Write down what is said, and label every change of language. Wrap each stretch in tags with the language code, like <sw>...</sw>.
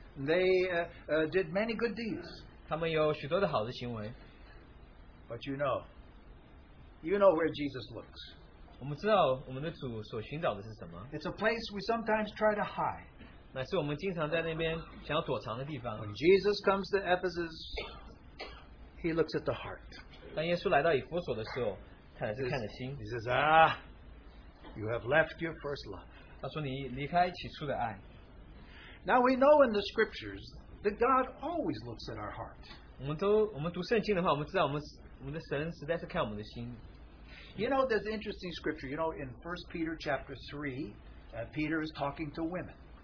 <en>They did many good deeds.</en> <zh>他们有许多的好的行为。</zh> <en>But you know where Jesus looks. It's a place we sometimes try to hide.</en> <zh>乃是我们经常在那边想要躲藏的地方。</zh> <en>When Jesus comes to Ephesus, he looks at the heart.</en> <zh>当耶稣来到以弗所的时候,</zh> <en>he says, you have left your first love.</en> <zh>他说你离开起初的爱。</zh> <en>Now we know in the scriptures that God always looks at our heart.</en> <zh>我们读圣经的话，我们知道我们的神实在是看我们的心。</zh> <en>You know, there's an interesting scripture. You know, in 1 Peter chapter 3, Peter is talking to women.</en>